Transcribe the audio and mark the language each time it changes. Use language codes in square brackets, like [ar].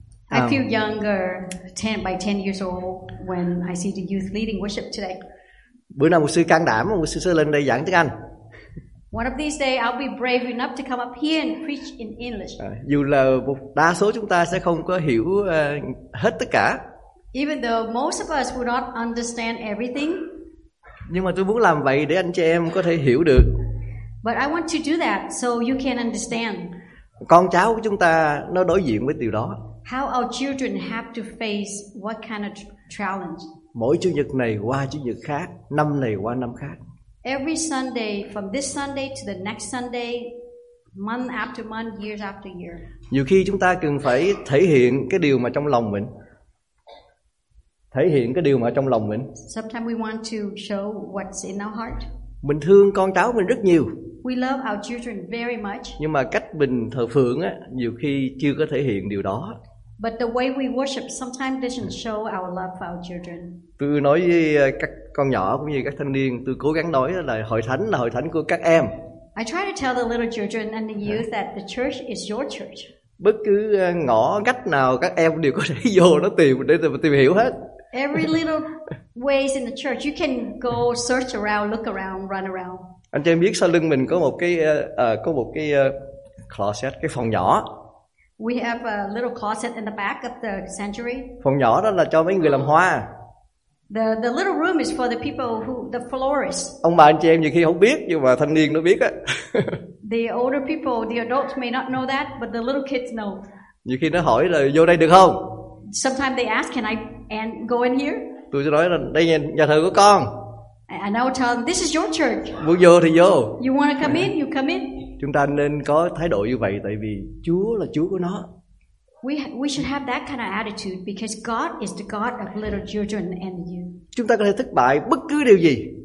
[en] I feel younger, 10 years old when I see the youth leading worship today. [vi] Bữa nào mục sư can đảm, mục sư sẽ lên đây giảng tiếng Anh. [en] One of these days I'll be brave enough to come up here and preach in English. [vi] Dù là một đa số chúng ta sẽ không có hiểu hết tất cả. [en] Even though most of us will not understand everything. [vi] Nhưng mà tôi muốn làm vậy để anh chị em có thể hiểu được. [en] But I want to do that so you can understand. [vi] Con cháu của chúng ta nó đối diện với điều đó. [en] How our children have to face what kind of challenge? [vi] Mỗi chủ nhật này qua chủ nhật khác, năm này qua năm khác. [en] Every Sunday, from this Sunday to the next Sunday, month after month, years after year. [vi] Nhiều khi chúng ta cần phải thể hiện cái điều mà trong lòng mình. [en] Sometimes we want to show what's in our heart. [vi] Mình thương con cháu mình rất nhiều. [en] We love our children very much. [vi] Nhưng mà cách mình thờ phượng á, nhiều khi chưa có thể hiện điều đó. [en] But the way we worship sometimes doesn't show our love for our children. [vi] Tôi nói với các con nhỏ cũng như các thanh niên, tôi cố gắng nói là hội thánh của các em. [en] I try to tell the little children and the youth that the church is your church. [vi] Bất cứ ngõ ngách nào các em đều có thể vô nó tìm để tìm hiểu hết. [en] Every little ways in the church, you can go search around, look around, run around. [vi] Anh chị em biết sau lưng mình có một cái closet, cái phòng nhỏ. [en] We have a little closet in the back of the sanctuary. [vi] Phòng nhỏ đó là cho mấy người làm hoa. [en] The little room is for the people who the florists. [vi] Ông bà anh chị em nhiều khi không biết nhưng mà thanh niên nó biết á. [en] The older people, the adults may not know that, but the little kids know. [vi] Nhiều khi nó hỏi là vô đây được không? [en] Sometimes they ask, can I and go in here? [vi] Tôi sẽ nói là đây là nhà thờ của con. [en] And I will tell them, this is your church. [vi] Muốn vô thì vô. [en] You want to come in, you come in. [vi] Chúng ta nên có thái độ như vậy tại vì Chúa là Chúa của nó. [en] We should have that kind of attitude because God is the God of little children and you. [vi] Chúng ta có thể thất bại bất cứ điều gì.